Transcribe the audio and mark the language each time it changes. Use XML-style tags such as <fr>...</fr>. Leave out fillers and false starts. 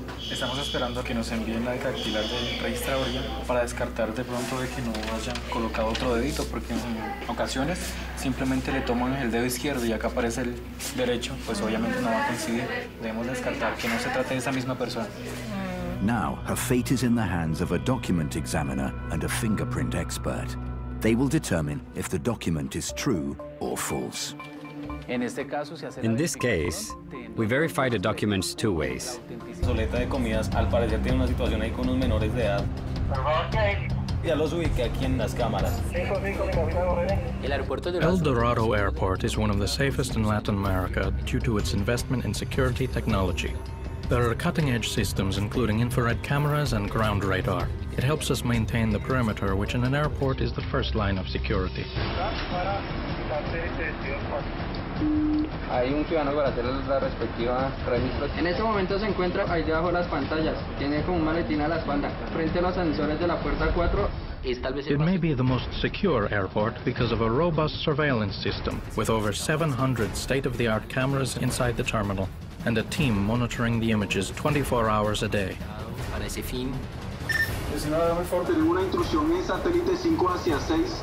<es>Estamos esperando que nos envíen la dactilar del registrador para descartar de pronto de que no hayan colocado otro dedito, porque en ocasiones simplemente le toman el dedo izquierdo y acá aparece el derecho, pues obviamente no va a coincidir. Debemos descartar que no se trate de esa misma persona.</es> <en>Now, her fate is in the hands of a document examiner and a fingerprint expert. They will determine if the document is true or false. In this case, we verify the documents two ways. El Dorado Airport is one of the safest in Latin America due to its investment in security technology. There are cutting-edge systems, including infrared cameras and ground radar. It helps us maintain the perimeter, which in an airport is the first line of security.</en> <es>Hay un ciudadano para hacer la respectiva registro. En este momento se encuentra ahí debajo de las pantallas. Tiene como un maletín a la espalda, frente a los ascensores de la puerta 4.</es> <en>It may be the most secure airport because of a robust surveillance system with over 700 state-of-the-art cameras inside the terminal and a team monitoring the images 24 hours a day.</en> <es>Para ese fin. Tenemos una intrusión en satélite 5 hacia 6.</es>